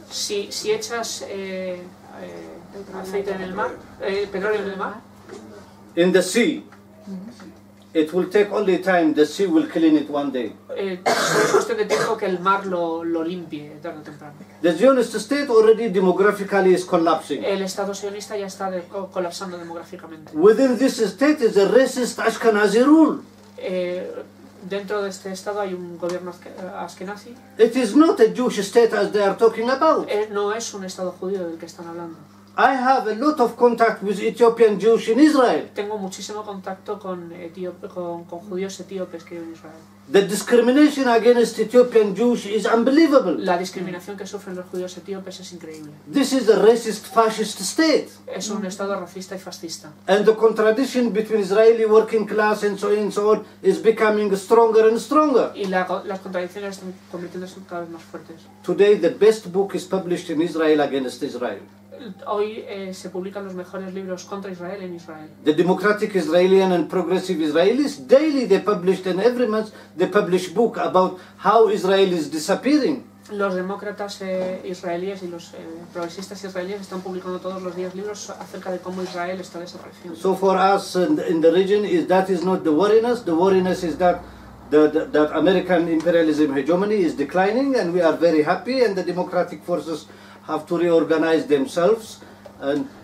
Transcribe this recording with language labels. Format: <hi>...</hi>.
<es>si echas aceite en el mar, petróleo en el mar.</es> <en>In the sea, it will take only time. The sea will clean it one day.</en> <es>Es cuestión de tiempo que el mar lo limpie tarde o temprano.</es> <en>The Zionist state already demographically is collapsing.</en> <es>El Estado sionista ya está colapsando demográficamente.</es> <en>Within this state is a racist Ashkenazi rule.</en> <es>Dentro de este estado hay un gobierno Ashkenazi.</es> <en>It is not a Jewish state as they are talking about.</en> <es>No es un estado judío del que están hablando.</es> <en>I have a lot of contact with Ethiopian Jews in Israel.</en> <es>Tengo muchísimo contacto con judíos etíopes que viven en Israel.</es> <en>The discrimination against Ethiopian Jews is unbelievable.</en> <es>La discriminación que sufren los judíos etíopes es increíble.</es> <en>This is a racist fascist state.</en> <es>Es un estado racista y fascista.</es> <en>And the contradiction between Israeli working class and so on is becoming stronger and stronger.</en> <es>Y las contradicciones están convirtiéndose cada vez más fuertes.</es> <en>Today the best book is published in Israel against Israel.</en> <es>Hoy se publican los mejores libros contra Israel en Israel.</es> <en>The Democratic Israeli and Progressive Israelis daily they publish and every month they publish book about how Israel is disappearing.</en> <es>Los demócratas israelíes y los progresistas israelíes están publicando todos los días libros acerca de cómo Israel está desapareciendo.</es> <en>So for us in the region is that is not the worryness. The worryness is that that American imperialism hegemony is declining and we are very happy and the democratic forces have to reorganize themselves and</en>